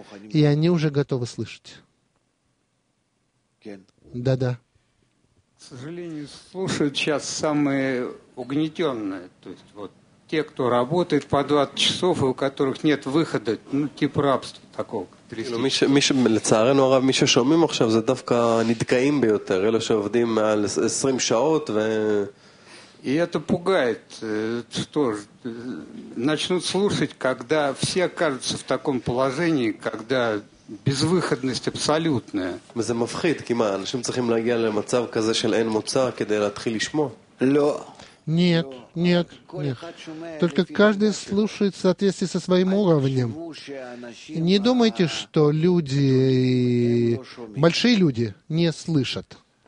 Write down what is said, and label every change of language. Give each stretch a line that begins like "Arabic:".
Russian: И они уже готовы слышать. Да-да. К сожалению, слушают сейчас самые угнетенные. То есть вот те, кто работает по 20 часов, и у которых нет выхода, ну, типа рабства такого.
Hebrew: לצערנו הרב, מי ששומעים עכשיו זה דווקא נדקאים ביותר, אלה שעובדים מעל 20 שעות ו...
Russian: И это пугает, что начнут слушать, когда все окажутся в таком положении, когда безвыходность абсолютная.
Hebrew: זה מפחיד, כי מה, אנשים צריכים להגיע למצב כזה של אין מוצא כדי להתחיל לשמוע? לא.
Russian: Нет, нет, нет. Только каждый слушает в соответствии со своим уровнем. Не думайте, что люди, большие люди, не слышат.